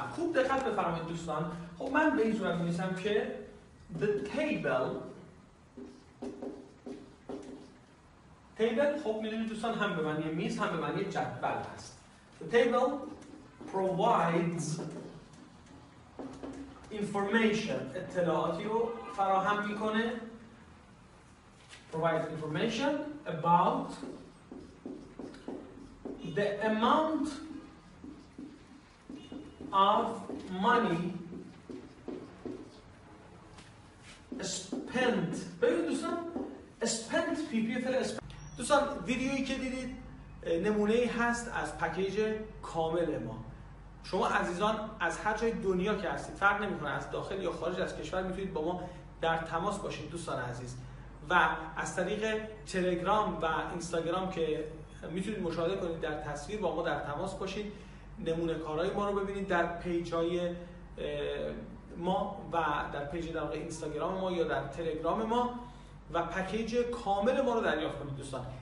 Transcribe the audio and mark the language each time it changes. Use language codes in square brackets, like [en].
[fa] خوب دقت بفرمایید دوستان. خب من به این صورت می‌نویسم که [en] the table [fa] خب می‌دونید دوستان هم به معنی میز هم به معنی جدول هست. [en] The table provides information، [fa] اطلاعاتی رو فراهم می‌کنه. [en] Provides information about the amount of money spent. [fa] ببینید دوستان، [en] spent PPFL spent. [fa] دوستان ویدیویی که دیدید نمونه هست از پکیج کامل ما. شما عزیزان از هر جای دنیا که هستید فرق نمی‌کنه، از داخل یا خارج از کشور میتونید با ما در تماس باشید دوستان عزیز، و از طریق تلگرام و اینستاگرام که میتونید مشاهده کنید در تصویر با ما در تماس باشید، نمونه کارهای ما رو ببینید در پیجای ما و در پیج در اینستاگرام ما یا در تلگرام ما، و پکیج کامل ما رو دریافت کنید دوستان.